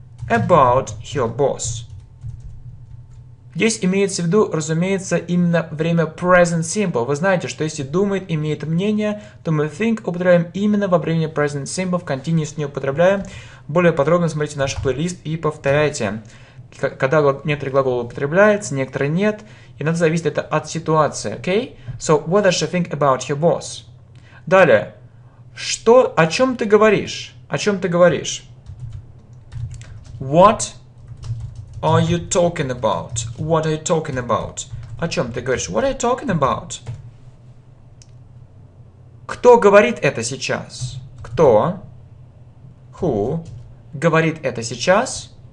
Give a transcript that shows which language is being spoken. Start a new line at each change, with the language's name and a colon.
English: About her boss.
Russian: Здесь имеется в виду, разумеется, именно время present simple. Вы знаете, что если думает, имеет мнение, то мы think употребляем именно во время present simple, в continuous не употребляем. Более подробно смотрите наш плейлист и повторяйте. Когда некоторые глаголы употребляются, некоторые нет, и надо зависеть это от ситуации, окей?
English: So, what does she think about her boss?
Russian: Далее. Что, о чем ты говоришь? О чем ты говоришь?
English: What are you talking about? What are you talking about?
Russian: О чем ты говоришь?
English: What are you talking about?
Russian: Кто говорит это сейчас? Кто?
English: Who
Russian: говорит это сейчас?